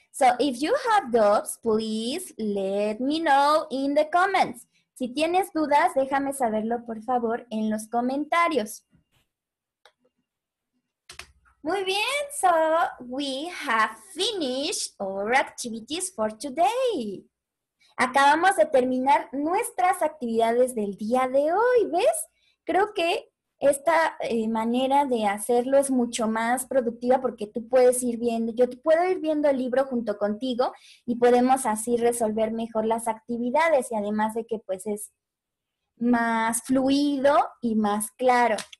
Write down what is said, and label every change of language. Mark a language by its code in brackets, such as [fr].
[en] So if you have doubts, please let me know in the comments. [es] Si tienes dudas, déjame saberlo, por favor, en los comentarios. Muy bien, [en] so we have finished our activities for today. [es] Acabamos de terminar nuestras actividades del día de hoy, ¿ves? Creo que esta manera de hacerlo es mucho más productiva porque tú puedes ir viendo, yo puedo ir viendo el libro junto contigo y podemos así resolver mejor las actividades y además de que pues es más fluido y más claro.